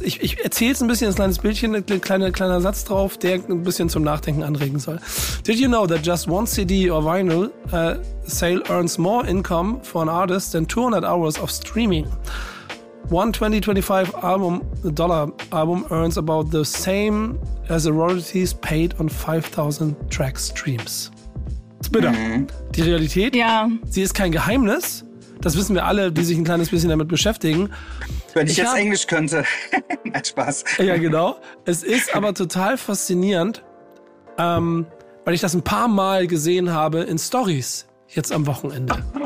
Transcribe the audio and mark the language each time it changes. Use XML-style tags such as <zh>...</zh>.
<de>Ich erzähle es ein bisschen, ein kleines Bildchen, ein kleiner Satz drauf, der ein bisschen zum Nachdenken anregen soll.</de> <en>Did you know that just one CD or vinyl sale earns more income for an artist than 200 hours of streaming? One 2025 album, dollar album earns about the same as the royalties paid on 5000 track streams.</en> <de>Bitter. Mhm. Die Realität, ja. Sie ist kein Geheimnis. Das wissen wir alle, die sich ein kleines bisschen damit beschäftigen. Wenn ich jetzt Englisch könnte. Hat Spaß. Ja, genau. Es ist aber total faszinierend, weil ich das ein paar Mal gesehen habe in Stories jetzt am Wochenende.</de>